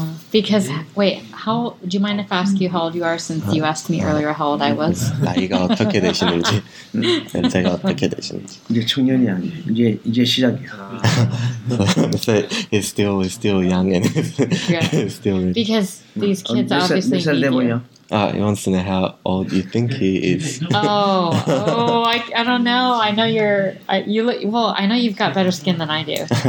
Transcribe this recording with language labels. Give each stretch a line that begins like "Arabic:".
English: Because wait, how do you mind if I ask you how old you are? Since you asked me earlier how old I was.
Korean: 나이가 어떻게 되시는지, 제가 어떻게 되시는지. 이제 청년이 아니에요. 이제 시작이야.
English: So he's still young and still. Because these kids obviously need you. He wants to know how old you think he is. I don't know. I know I know you've got better skin than I do.